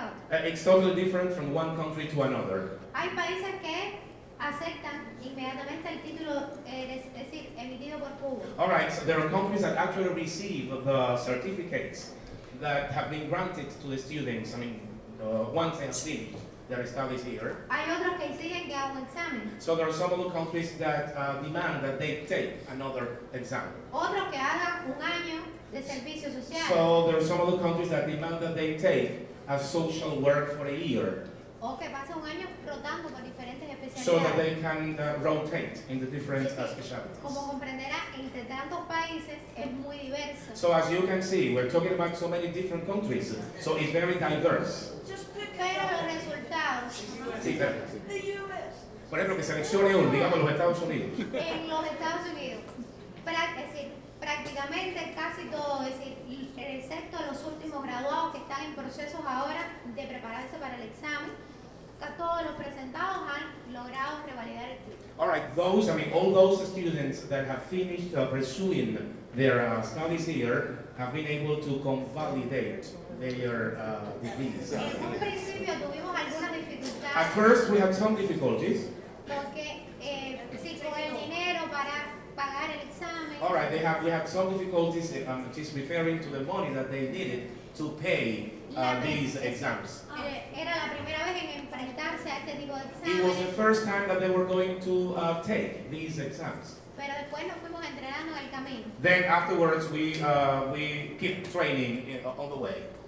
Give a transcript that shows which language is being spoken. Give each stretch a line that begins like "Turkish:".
English: It's totally different from one country to another.
Spanish: Hay países que aceptan inmediatamente el título, es decir, emitido por Cuba.
English: All right. So there are countries that actually receive the certificates that have been granted to the students. I mean, once they have finished their studies here.
Spanish: Hay otros que exigen que hagan un examen.
English: So there are some other countries that demand that they take another exam.
Spanish: Otros que hagan un año de servicio social.
English: So there are some other countries that demand that they take a social work for a year.
Spanish: O que pase un año rotando por diferentes especialidades.
English: So that they can rotate in the different specialties.
Spanish: Como comprenderá, entre tantos países es muy diverso.
English: So as you can see, we're talking about so many different countries. So it's very diverse.
Spanish: Pero los resultados. Por ejemplo, que seleccione un, digamos, los Estados Unidos. En los Estados Unidos. Es decir, Prácticamente casi todo, es decir, excepto los últimos graduados que están en procesos ahora de prepararse para el examen, todos los presentados han logrado revalidar el título.
English: All right, those, I mean, all those students that have finished pursuing their studies here have been able to convalidate their degrees.
Spanish: En un principio tuvimos algunas dificultades.
English: At first, we had some difficulties.
Spanish: Porque si con el dinero para pagar el examen.
English: All right, we have some difficulties. I'm just referring to the money that they needed to pay these exams.
Spanish: Era la primera vez en enfrentarse a este tipo de exámenes.
English: It was the first time that they were going to take these exams.
Spanish: Pero después nos fuimos entrenando en el camino.
English: Then afterwards we keep training on the way.